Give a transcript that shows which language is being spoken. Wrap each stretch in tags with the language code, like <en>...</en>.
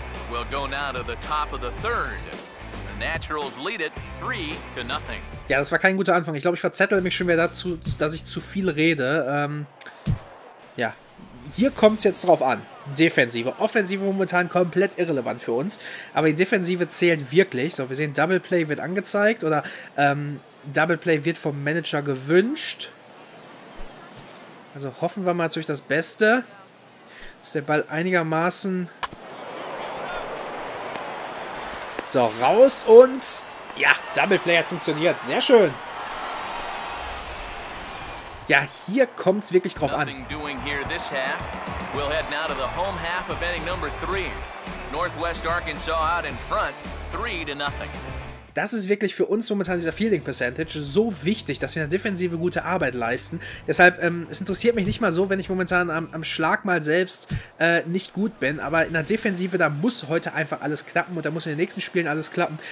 <en>We'll go now to the top of the third. The Naturals lead it 3-0.</en> <de>Ja, das war kein guter Anfang. Ich glaube, ich verzettel mich schon wieder dazu, dass ich zu viel rede. Ja. Hier kommt es jetzt drauf an. Defensive. Offensive momentan komplett irrelevant für uns. Aber die Defensive zählt wirklich. So, wir sehen, Double Play wird angezeigt. Oder Double Play wird vom Manager gewünscht. Also hoffen wir mal natürlich das Beste. Ist der Ball einigermaßen... So, raus und... Ja, Double Play hat funktioniert. Sehr schön. Ja, hier kommt es wirklich drauf an.</de> <en>We'll head now to the home half of inning number 3. Northwest Arkansas out in front, 3-0.</en> <de>Das ist wirklich für uns momentan dieser Fielding Percentage so wichtig, dass wir in der Defensive gute Arbeit leisten. Deshalb, es interessiert mich nicht mal so, wenn ich momentan am Schlag mal selbst nicht gut bin. Aber in der Defensive, da muss heute einfach alles klappen und da muss in den nächsten Spielen alles klappen.</de>